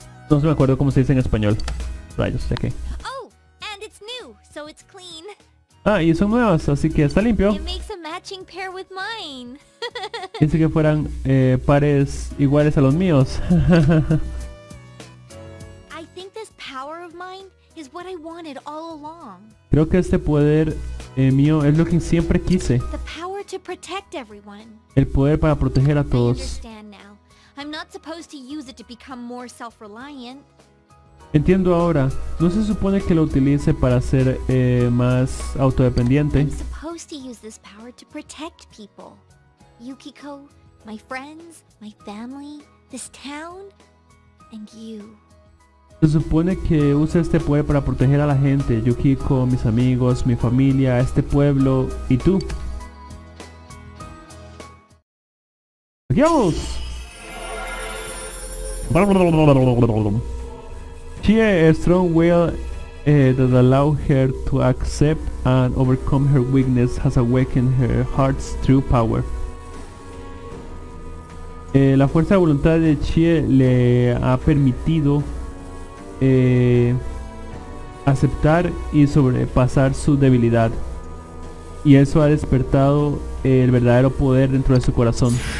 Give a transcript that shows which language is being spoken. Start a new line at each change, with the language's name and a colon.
Spanish: No se me acuerdo cómo se dice en español. Rayos, ya que.
English: Oh, and it's new, so it's clean.
Spanish: Ah, y son nuevas, así que está limpio.
English: It makes a matching pair with mine.
Spanish: Dice que fueran pares iguales a los míos.
English: I think this power of mine is what I wanted all along.
Spanish: Creo que este poder mío es lo que siempre quise.
English: The power to protect everyone.
Spanish: El poder para proteger a todos.
English: I understand now. I'm not supposed to use it to become more self-reliant.
Spanish: Entiendo ahora. No se supone que lo utilice para ser más autodependiente.
English: I'm supposed to use this power to protect people. Yukiko, my friends, my family, this town, and you.
Spanish: Se supone que use este poder para proteger a la gente, Yukiko, mis amigos, mi familia, este pueblo, y tú. ¡Adiós!
English: She a strong will that allow her to accept and overcome her weakness has awakened her heart's true power.
Spanish: La fuerza de voluntad de Chie le ha permitido aceptar y sobrepasar su debilidad. Y eso ha despertado el verdadero poder dentro de su corazón.